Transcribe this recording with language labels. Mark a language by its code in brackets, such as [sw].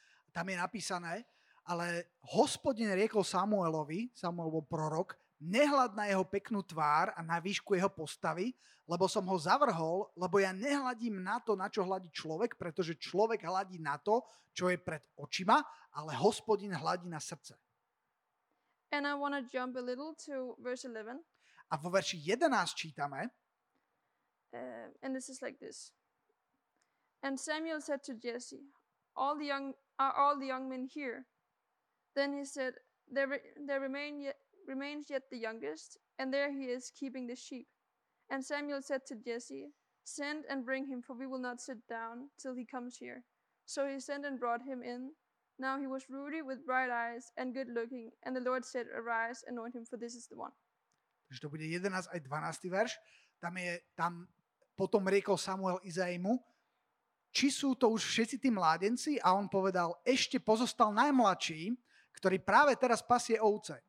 [sk] Tam je napísané, ale Hospodin riekol Samuelovi, Samuel bol prorok, nehľad na jeho peknú tvár a na výšku jeho postavy, lebo som ho zavrhol, lebo ja nehľadím na to, na čo hľadí človek, pretože človek hľadí na to, čo je pred očima, ale Hospodin hľadí na srdce. [en] And I want to jump a little to verse 11. [sk] A vo verši 11 čítame. [en] And this is like this. And Samuel said to Jesse, are all the young men here? Then he said, there remains yet the youngest, and there he is keeping the sheep. And Samuel said to Jesse, send and bring him, for we will not sit down till he comes here. So he sent and brought him in. Now he was ruddy with bright eyes and good looking, and the Lord said, arise, anoint him, for this is the one. [sk] Takže to bude 11 aj 12 verš. Tam je, tam potom riekol Samuel Izajmu, či sú to už všetci tí mládenci? A on povedal, ešte pozostal najmladší, ktorý práve teraz pasie ovce.